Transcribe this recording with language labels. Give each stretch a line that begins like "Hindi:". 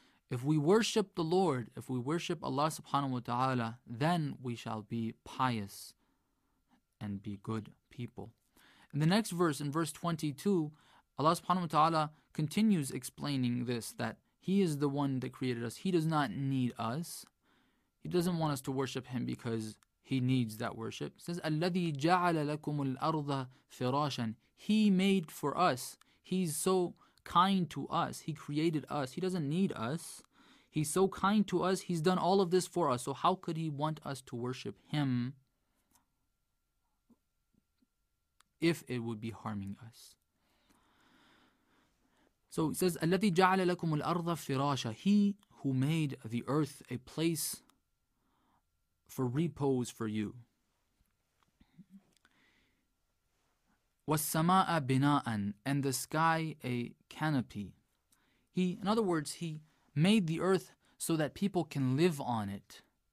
English: If we worship the Lord, if we worship Allah subhanahu wa ta'ala, then we shall be pious and be good people. In the next verse, in verse 22, Allah subhanahu wa ta'ala continues explaining this, that He is the one that created us. He does not need us. He doesn't want us to worship Him because He needs that worship. It says,
Arabic: الَّذِي جَعَلَ لَكُمُ الْأَرْضَ فِرَاشًا.
English: He made for us. He's so kind to us. He created us. He doesn't need us. He's so kind to us. He's done all of this for us. So how could He want us to worship Him if it would be harming us? So it says,
Arabic: الَّذِي جَعَلَ لَكُمُ الْأَرْضَ فِرَاشًا.
English: He who made the earth a place for repose for you.
Arabic: وَالسَّمَاءَ بِنَاءً.
English: And the sky a canopy. He, in other words, He made the earth so that people can live on it.